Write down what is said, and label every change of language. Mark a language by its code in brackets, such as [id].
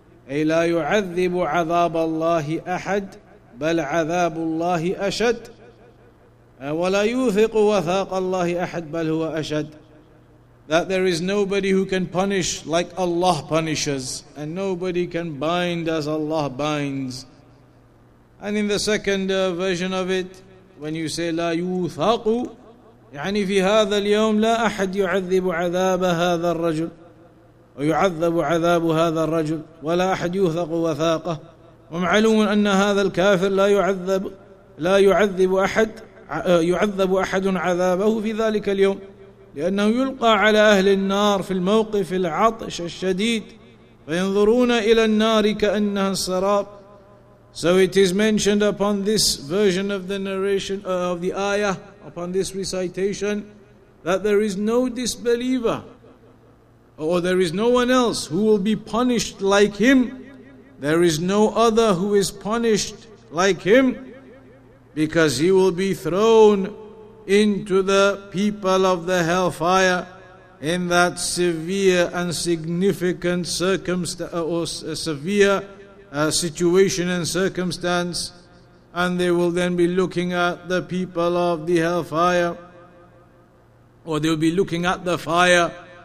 [ar] أي لا يعذب عذاب الله أحد بل عذاب الله أشد. وَلَا يُوثِقُ وَثَاقَ اللَّهِ أَحَدْ بَلْ هُوَ أَشَدْ. [en] That there is nobody who can punish like Allah punishes, and nobody can bind as Allah binds. And in the second version of it, when you say [ar] لَا يُوثَقُ يعني فِي هَذَا الْيَوْمِ لَا أَحَدْ يُعَذِّبُ عَذَابَ هَذَا الرَّجُلِ وَيُعَذَّبُ عَذَابُ هَذَا الرَّجُلِ وَلَا أَحَدْ يُوثَقُ وَثَاقَهُ وَمْعَلُومٌ أَنَّ هَذَا الْكَافِرِ لَا يُعَذَّبُ أَحَدْ يعذب أحد عذابه في ذلك اليوم لأنه يلقى على أهل النار في الموقف العطش الشديد فينظرون إلى النار كأنها السراب. [en] So it is mentioned upon this version of the narration of the ayah, upon this recitation, that there is no disbeliever or there is no one else who will be punished like him. There is no other who is punished like him, because he will be thrown into the people of the hellfire in that severe and significant situation and circumstance, and they will then be looking at the people of the hellfire, or they'll be looking at the fire.